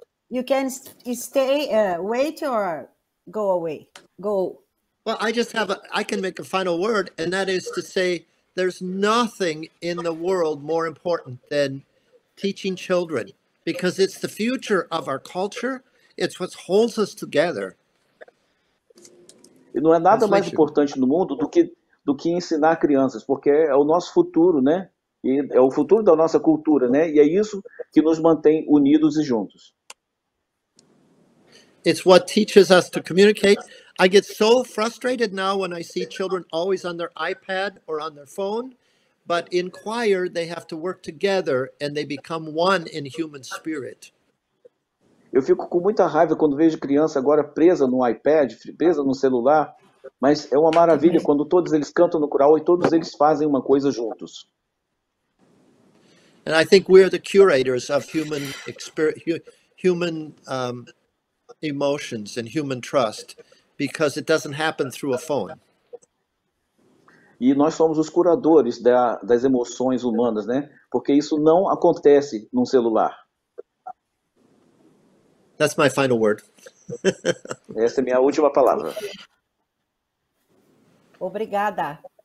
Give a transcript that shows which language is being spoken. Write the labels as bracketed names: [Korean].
[English] You can stay, wait, or go away. Go. Well, I can make a final word, and that is to say there's nothing in the world more important than teaching children, because it's the future of our culture. It's what holds us together. [Portuguese] E não é nada mais importante no mundo do que ensinar crianças, porque é o nosso futuro, né? E é o futuro da nossa cultura, né? E é isso que nos mantém unidos e juntos. [English] It's what teaches us to communicate. I get so frustrated now when I see children always on their iPad or on their phone, but in choir, they have to work together and they become one in human spirit. [Portuguese] Eu fico com muita raiva quando vejo criança agora presa no iPad, presa no celular, mas é uma maravilha quando todos eles cantam no coral e todos eles fazem uma coisa juntos. [English] And I think we are the curators of human experience, human emotions and human trust, because it doesn't happen through a phone. [Portuguese] E nós somos os curadores das emoções humanas, né? Porque isso não acontece num celular. That's my final word. Essa é minha última palavra. Obrigada.